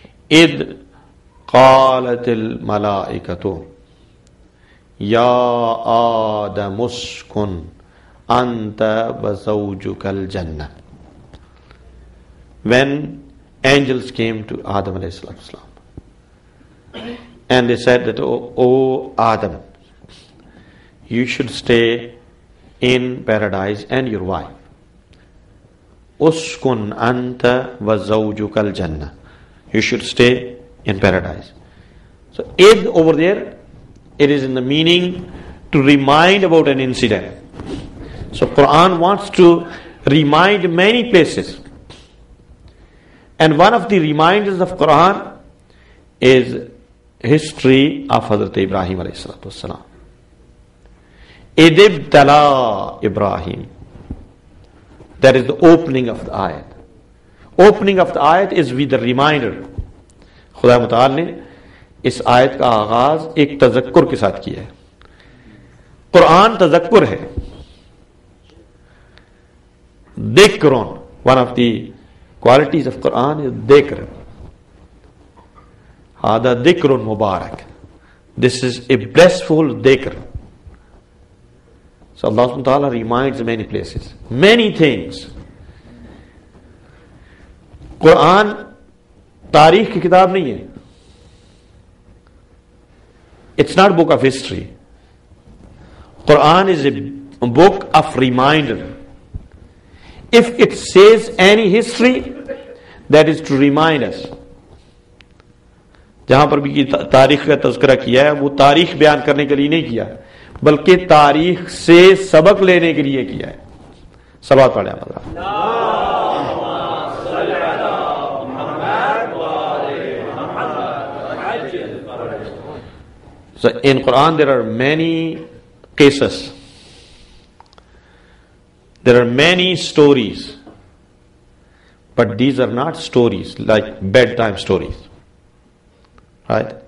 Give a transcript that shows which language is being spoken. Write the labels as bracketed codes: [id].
[ar] Eid قالت الملائکتو يا آدم اسكن أنت وزوجك الجنة. [en] When angels came to Adam alayhi salam and they said that, oh Adam, you should stay in paradise and your wife. [ar] اسكن أنت وزوجك الجنة. [en] You should stay in paradise. So Eid over there, it is in the meaning to remind about an incident. So Quran wants to remind many places. And one of the reminders of Quran is history of Hazrat Ibrahim alayhi salatu wasalam. [ar] Idibtala Ibrahim. [en] That is the opening of the ayat. Opening of the ayat is with the reminder. [ur] Khuda Mutaal ne اس آیت کا آغاز ایک تذکر کے ساتھ کیا ہے. قرآن تذکر ہے. [en] ذکرون, one of the qualities of Quran is ذکر. [ar] هذا ذکر مبارک. [en] This is a blissful ذکر. So Allah subhanahu wa ta'ala reminds many places, many things. [ur] قرآن تاریخ کی کتاب نہیں ہے. [en] It's not a book of history. Quran is a book of reminder. If it says any history, that is to remind us. [ur] جہاں پر بھی تاریخ کا تذکرہ کیا ہے وہ تاریخ بیان کرنے کے لیے نہیں کیا بلکہ تاریخ سے سبق لینے کے لیے کیا ہے. صلوات پڑھیں [en] اللہ اللہ So in Quran there are many cases, there are many stories, but these are not stories like bedtime stories, right?